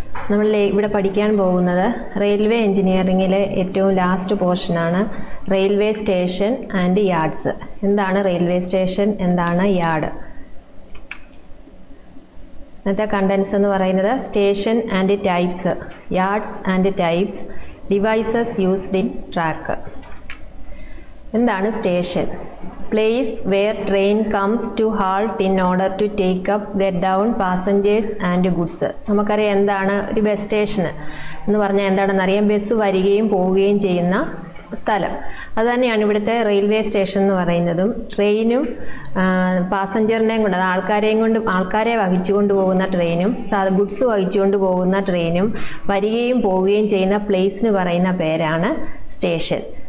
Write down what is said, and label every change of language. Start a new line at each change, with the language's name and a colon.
Malayalam: നമ്മൾ ഇവിടെ പഠിക്കാൻ പോകുന്നത് റെയിൽവേ എഞ്ചിനീയറിംഗിലെ ഏറ്റവും ലാസ്റ്റ് പോർഷനാണ് റെയിൽവേ സ്റ്റേഷൻ ആൻഡ് യാർഡ്സ്. എന്താണ് റെയിൽവേ സ്റ്റേഷൻ, എന്താണ് യാർഡ്? ഇന്നത്തെ
English: contents
Malayalam: എന്ന് പറയുന്നത്
English: Station and types, yards and types, devices used in track.
Malayalam: എന്താണ് station?
English: Place where train comes to halt in order to take up, get down passengers and goods.
Malayalam: നമുക്കറിയാം എന്താണ് ഒരു bus station എന്ന് പറഞ്ഞാൽ എന്താണെന്നറിയാം, ബസ് വരികയും പോവുകയും ചെയ്യുന്ന സ്ഥലം. അത് തന്നെയാണ് ഇവിടുത്തെ റെയിൽവേ സ്റ്റേഷൻ എന്ന് പറയുന്നതും. ട്രെയിനും പാസഞ്ചറിനെയും കൊണ്ട്, അത് ആൾക്കാരെയും കൊണ്ട്, ആൾക്കാരെ വഹിച്ചുകൊണ്ട് പോകുന്ന ട്രെയിനും ഗുഡ്സ് വഹിച്ചുകൊണ്ട് പോകുന്ന ട്രെയിനും വരികയും പോവുകയും ചെയ്യുന്ന പ്ലേസിന് പറയുന്ന പേരാണ് സ്റ്റേഷൻ.